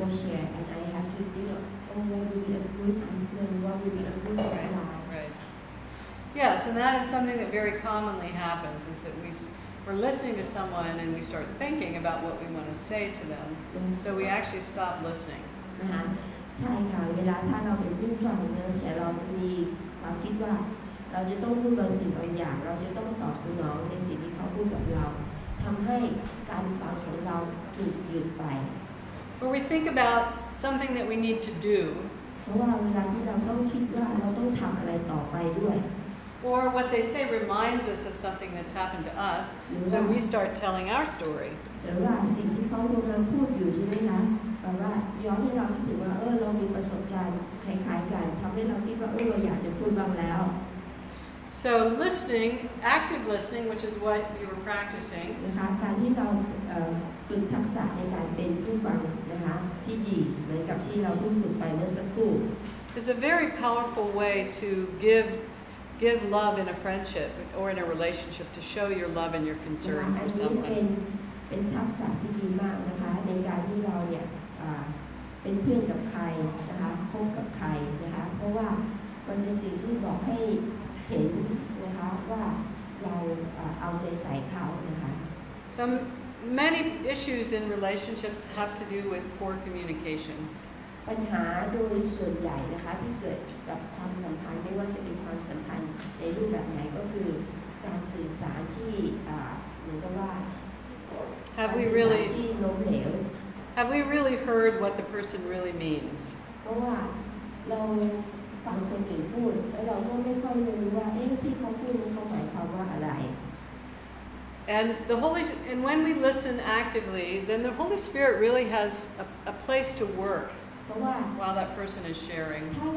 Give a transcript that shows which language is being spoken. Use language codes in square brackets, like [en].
[en] right. share, and I have to think, oh, what would be a good answer, what would be a good reply. Right. Yes, and that is something that very commonly happens, is that we're listening to someone and we start thinking about what we want to say to them, mm-hmm. so we actually stop listening. Uh-huh. [th] ใช่ค่ะเวลาถ้าเราเป็นผู้ฟังเนี่ยแต่เรามีความคิดว่าเราจะต้องพูดบางสิ่งบางอย่างเราจะต้องตอบสนองในสิ่งที่เขาพูดกับเราทำให้การฟังของเราถูกหยุดไป [en] When we think about something that we need to do [th] เพราะว่าเวลาที่เราต้องคิดว่าเราต้องทำอะไรต่อไปด้วย [en] Or what they say reminds us of something that's happened to us so we start telling our story [th] หรือว่าสิ่งที่เขากำลังพูดอยู่ใช่ไหมนะแปลว่าย้อนให้เราคิดถึงว่าเรามีประสบการณ์คล้ายๆกันทำให้เราคิดว่าเราอยากจะพูดบ้างแล้ว [en] so listening active listening which is what you were practicing [th] นะคะการที่เราฝึกทักษะในการเป็นผู้ฟังนะคะที่ดีเหมือนกับที่เราพูดถึงไปเมื่อสักครู่ [en] is a very powerful way to give love in a friendship or in a relationship to show your love and your concern for someone [th] เป็นทักษะที่ดีมากนะคะในการที่เราเนี่ยเป็นเพื่อนกับใครนะคะคบกับใครนะคะเพราะว่ามันเป็นสิ่งที่บอกให้เห็นนะคะว่าเราเอาใจใส่เขานะคะ [en] So many issues in relationships have to do with poor communication [th] ปัญหาโดยส่วนใหญ่นะคะที่เกิดกับความสัมพันธ์ไม่ว่าจะเป็นความสัมพันธ์ในรูปแบบไหนก็คือการสื่อสารที่เหมือนกับว่า [en] Have we really [th] ที่ล้มเหลว [en] Have we really heard what the person really means? [th] เราฟังคนอื่นพูดแล้วเราก็ไม่ค่อยรู้ว่าที่เขาพูดนี้เขาหมายความว่าอะไร [en] And the Holy, and when we listen actively, then the Holy Spirit really has a place to work while that person is sharing.